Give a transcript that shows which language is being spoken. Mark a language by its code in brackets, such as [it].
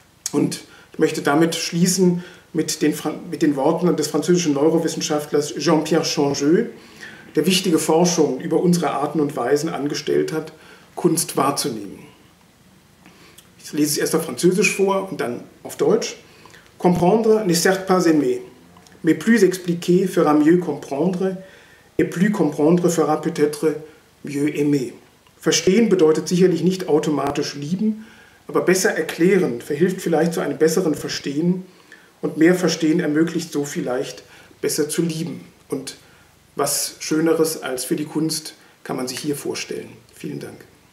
[de] Und ich möchte damit schließen mit den Worten des französischen Neurowissenschaftlers Jean-Pierre Changeux, der wichtige Forschung über unsere Arten und Weisen angestellt hat, Kunst wahrzunehmen. Ich lese es erst auf Französisch vor und dann auf Deutsch. [fr] Comprendre n'est certes pas aimer, mais plus expliquer fera mieux comprendre, et plus comprendre fera peut-être mieux aimer. [de] Verstehen bedeutet sicherlich nicht automatisch lieben, aber besser erklären verhilft vielleicht zu einem besseren Verstehen und mehr Verstehen ermöglicht so vielleicht besser zu lieben. Und was Schöneres als für die Kunst kann man sich hier vorstellen. Vielen Dank.